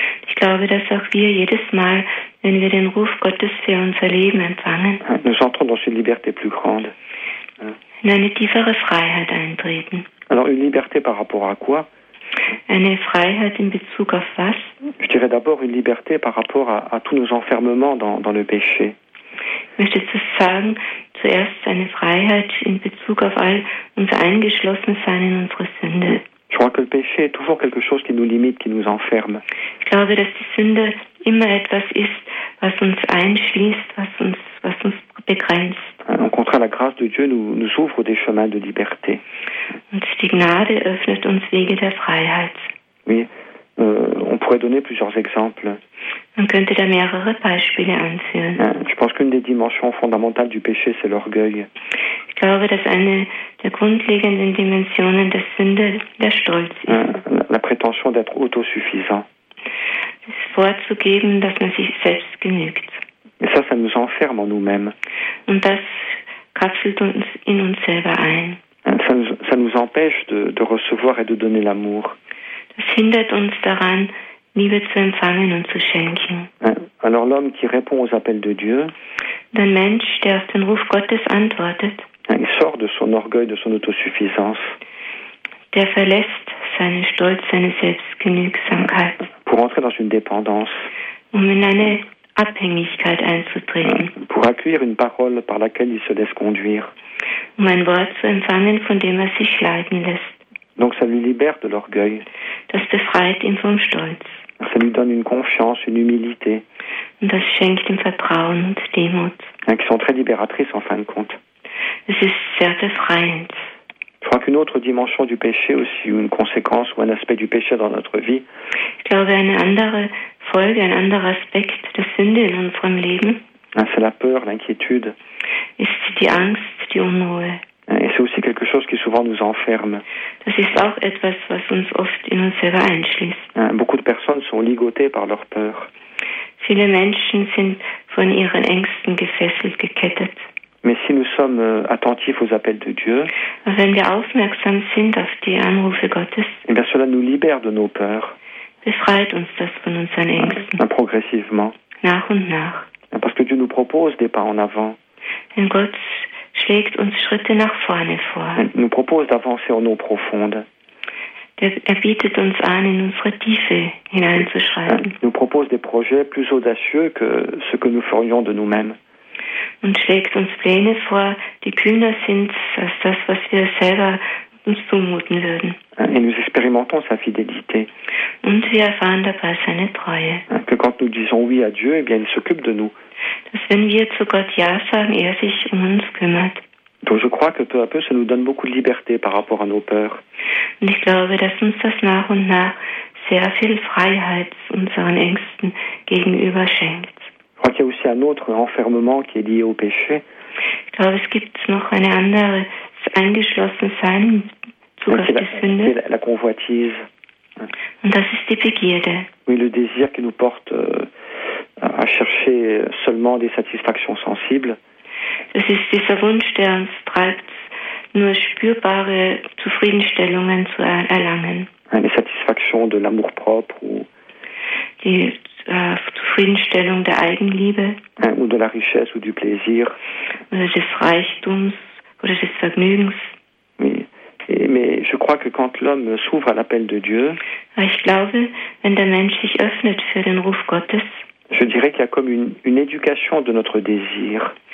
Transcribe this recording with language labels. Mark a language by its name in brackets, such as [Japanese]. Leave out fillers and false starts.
[German] Ich glaube, dass auch wir jedes Mal, wenn wir den Ruf Gottes für unser Leben empfangen, [French] nous entrons dans une liberté plus grande. [German] In eine tiefere Freiheit eintreten. [French] Alors, une liberté par rapport à quoi? [German] Eine Freiheit in Bezug auf was? [French] Je dirais d'abord une liberté par rapport à tous nos enfermements dans le péché. [German] Ich möchte sagen, zuerst eine Freiheit in Bezug auf all unser Eingeschlossensein in unsere Sünde. [French] Je crois que le péché est toujours quelque chose qui nous limite, qui nous enferme. [German] Ich glaube, dass die Sünde immer etwas ist, was uns einschließt, was uns begrenzt. [French] Au contraire, la grâce de Dieu nous ouvre des chemins de liberté. [German] Und die Gnade öffnet uns Wege der Freiheit. [French] Oui, on pourrait donner plusieurs exemples. [German] Man könnte da mehrere Beispiele anführen. [French] Je pense qu'une des dimensions fondamentales du péché, c'est l'orgueil. [German] Ich glaube, dass eine der grundlegenden Dimensionen der Sünde der Stolz ist. [French] La prétention d'être autosuffisant. [German] Das vorzugeben, dass man sich selbst genügt. [French] Et ça nous enferme en nous-mêmes. [German] Und das kapselt uns in uns selber ein. [French] Ça nous empêche de recevoir et de donner l'amour. [German] Das hindert uns daran, Liebe zu empfangen und zu schenken. [French] Alors l'homme qui répond aux appels de Dieu, [German] der Mensch, der auf den Ruf Gottes antwortet, [French] il sort de son orgueil, de son autosuffisance, [German] der verlässt seinen Stolz, seine Selbstgenügsamkeit, [French] pour entrer dans une dépendance, [German] um in eine Abhängigkeit einzutreten, [French] pour accueillir une parole par laquelle il se laisse conduire, [German] um ein Wort zu empfangen, von dem er sich leiten lässt. [French] Donc ça lui libère de l'orgueil. [German] Das befreit ihn vom Stolz. [French] Ça lui donne une confiance, une humilité. [German] Und das schenkt ihm Vertrauen und Demut. [French] Qui sont très libératrices en fin de compte. [German] Es ist sehr befreiend. [French] Je crois qu'une autre dimension du péché aussi, ou une conséquence ou un aspect du péché dans notre vie. [German] Ich glaube, eine andere Folge, ein anderer Aspekt der Sünde in unserem Leben. [French] C'est la peur, l'inquiétude. [German] Ist die Angst, die Unruhe. [French] Et c'est aussi quelque chose qui souvent nous enferme. [German] Das ist auch etwas, was uns oft in uns selber einschließt. [French] Beaucoup de personnes sont ligotées par leur peur. [German] Viele Menschen sind von ihren Ängsten gefesselt, gekettet. [French] Mais si nous sommes attentifs aux appels de Dieu, [German] wenn wir aufmerksam sind auf die Anrufe Gottes, [French] et bien cela nous libère de nos peurs. [German] Befreit uns das von unseren Ängsten. [French] Progressivement. [German] Nach und nach. [French] Parce que Dieu nous propose des pas en avant. [German] Denn Gott schlägt uns Schritte nach vorne vor. [French] Nous propose d'avancer en eau profonde. [German] Er bietet uns an, in unsere Tiefe hineinzuschreiten. [French] Nous propose des projets plus audacieux que ce que nous ferions de nous-mêmes. [German] und schlägt uns Pläne vor, die kühner sind als das, was wir selber uns zumuten würden. [French] Et nous expérimentons sa fidélité. [German] Und wir erfahren dabei seine Treue. [French] Que quand nous disons oui à Dieu, eh bien, il s'occupe de nous. [German] Dass wenn wir zu Gott Ja sagen, er sich um uns kümmert. [French] Donc je crois que peu à peu, ça nous donne beaucoup de liberté par rapport à nos peurs. [German] Und ich glaube, dass uns das nach und nach sehr viel Freiheit unseren Ängsten gegenüber schenkt. [French] Je crois qu'il y a aussi un autre enfermement qui est lié au péché. [German] Ich glaube, es gibt noch eine andere Eingeschlossensein zu Gottes Sünde. [French] C'est la convoitise. [German] Und das ist die Begierde. [French] Oui, le désir qui nous porte à chercher seulement des satisfactions sensibles. [German] Es ist dieser Wunsch, der uns treibt, nur spürbare Zufriedenstellungen zu erlangen. [French] Les satisfactions de l'amour propre ou [German] die Zufriedenstellung der Eigenliebe [French] ou de la richesse ou du plaisir [German] oder des Reichtums oder des Vergnügens. [French] Mais je crois que quand l'homme s'ouvre à l'appel de Dieu, [German] ich glaube, wenn der Mensch sich öffnet für den Ruf Gottes, [French] je dirais qu'il y a comme une éducation de notre désir.